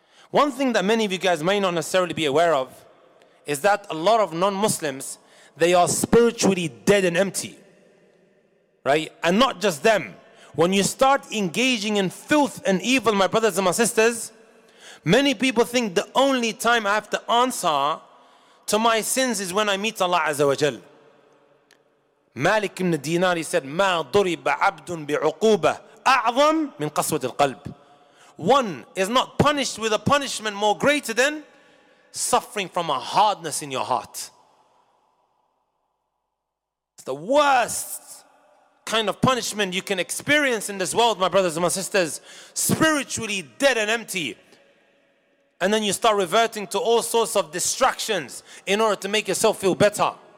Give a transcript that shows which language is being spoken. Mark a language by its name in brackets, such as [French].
[English] One thing that many of you guys may not necessarily be aware of is that a lot of non-Muslims, they are spiritually dead and empty. Right? And not just them. When you start engaging in filth and evil, my brothers and my sisters, many people think the only time I have to answer to my sins is when I meet Allah Azza wa Jal. [Arabic] Malik ibn Dinar, [English] he said, [Arabic] مَا ضُرِبَ عَبْدٌ بِعُقُوبَةٍ أَعْظَمْ مِنْ قَصْوَةِ الْقَلْبِ. [English] One is not punished with a punishment more greater than suffering from a hardness in your heart. It's the worst kind of punishment you can experience in this world, my brothers and my sisters. Spiritually dead and empty. And then you start reverting to all sorts of distractions in order to make yourself feel better.